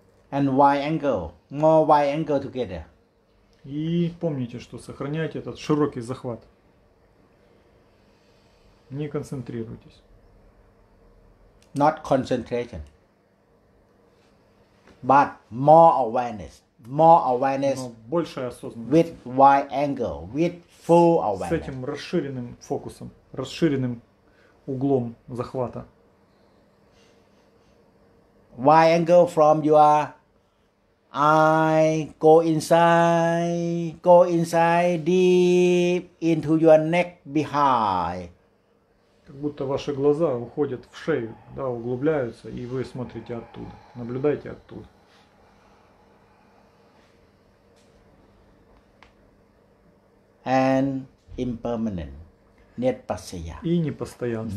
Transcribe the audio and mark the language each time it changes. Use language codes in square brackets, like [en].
[en] And wide angle, more wide angle together. [ru] И помните, что сохраняйте этот широкий захват. Не концентрируйтесь. [en] Not concentration. But more awareness. More awareness. [ru] Но большая осознанность. [en] With wide angle, with full awareness. [ru] С этим расширенным фокусом, расширенным углом захвата. [en] Wide angle from your I go inside deep into your neck behind. [ru] Как будто ваши глаза уходят в шею, да, углубляются, и вы смотрите оттуда, наблюдаете оттуда. [en] And impermanent. [pi] Нет пассия. [ru] И непостоянство.